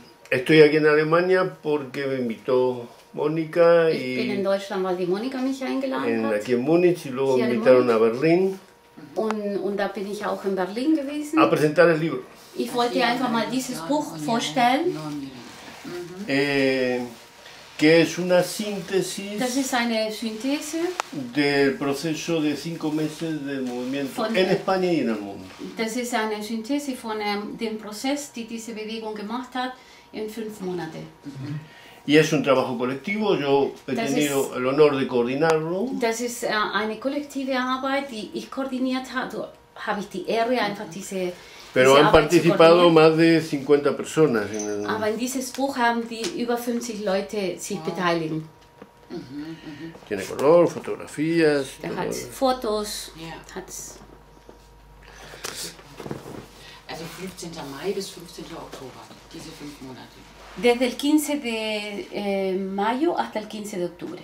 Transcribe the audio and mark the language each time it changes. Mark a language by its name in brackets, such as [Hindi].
[Spanish] Estoy aquí en Alemania porque me invitó Mónica y... [German] Ich bin in Deutschland, weil die Mónica mich eingeladen hat. [Spanish] Aquí en Múnich y luego me invitaron a Berlín. [German] Und da bin ich auch in Berlin gewesen. [Spanish] A presentar el libro. [German] Ich wollte dir einfach mal dieses Buch vorstellen. [Spanish] Que es una síntesis. [German] Das ist eine Synthese. [Spanish] Del proceso de cinco meses del movimiento en España y en el mundo. [German] Das ist eine Synthese von dem Prozess, die diese Bewegung gemacht hat, in fünf Monate. [Spanish] Y es un trabajo colectivo, yo he tenido el honor de coordinarlo. [German] Das ist eine kollektive Arbeit, die ich koordiniert habe. Habe ich die Ehre, einfach diese. [Spanish] Pero han participado más de 50 personas. [German] Aber in dieses Buch haben die über 50 Leute sich beteiligen. [Spanish] Tiene color, fotografías. [German] Der hat Fotos. Ja. Hat's. Also 15. Mai bis 15. Oktober, diese 5 Monate. [Spanish] Desde el 15 de mayo hasta el 15 de octubre.